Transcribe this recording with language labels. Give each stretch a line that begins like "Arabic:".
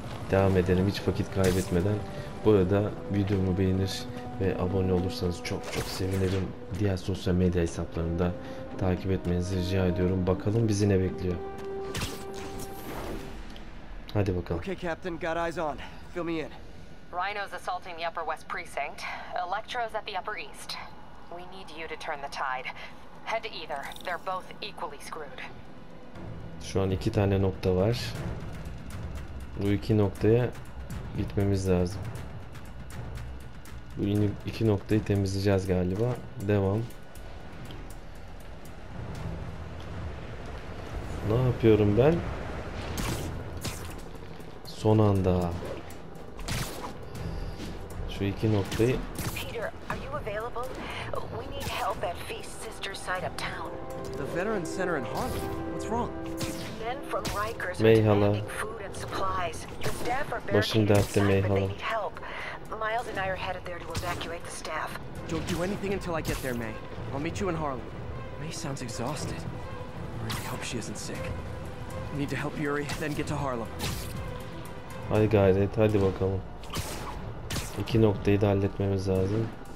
Turkish: Devam edelim hiç vakit kaybetmeden. Bu arada videomu beğenir ve abone olursanız çok çok sevinirim. Diğer sosyal medya hesaplarını da takip etmenizi rica ediyorum. Bakalım bizi ne bekliyor. Hadi bakalım.
English: Okay, Captain, got eyes on. Fill me in. Rhino's assaulting the Upper West Precinct. Electro's at the Upper East. We need you to turn the tide. Head to either. They're both equally screwed.
Turkish: Şu an iki tane nokta var. Bu iki noktaya gitmemiz lazım. Bu iki noktayı temizleyeceğiz galiba. Devam. Ne yapıyorum ben? Son anda. Şu iki noktayı.
English: Peter, are you available? We need help at Feast Sister's side of town. The Veteran Center in Harlem. What's wrong? Men from Rikers are demanding food and supplies. Your staff are barricaded inside, but they need help. Miles and I are headed there to evacuate the staff. Don't do anything until I get there, May. I'll meet you in Harlem. May sounds exhausted. Hope she isn't sick. Need to help Yuri, then get to Harlem.
Turkish: Hadi gayret, hadi bakalım. İki noktayı da halletmemiz lazım.